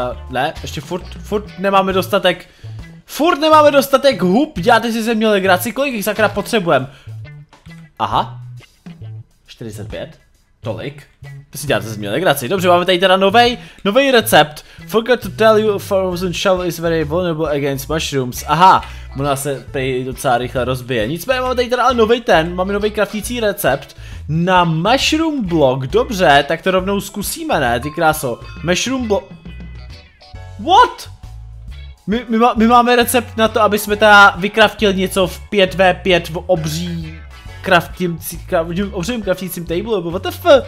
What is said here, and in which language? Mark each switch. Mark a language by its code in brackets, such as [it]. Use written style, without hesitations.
[cs] ne, ještě furt nemáme dostatek... Furt nemáme dostatek hub, děláte si ze mě legraci, kolik jich sakra potřebujem? Aha. 45? Tolik? To si děláte ze mě legraci. Dobře, máme tady teda novej recept. [en] Forgot to tell you, frozen shovel is very vulnerable against mushrooms. [cs] Aha, ona se prý docela rychle rozbije. Nicméně máme tady teda máme nový kraftící recept. Na mushroom block, dobře, tak to rovnou zkusíme, ne, ty kráso. Mushroom block. What? My máme recept na to, aby jsme teda vykraftili něco v 5v5 v obřím kraftícím table, nebo WTF?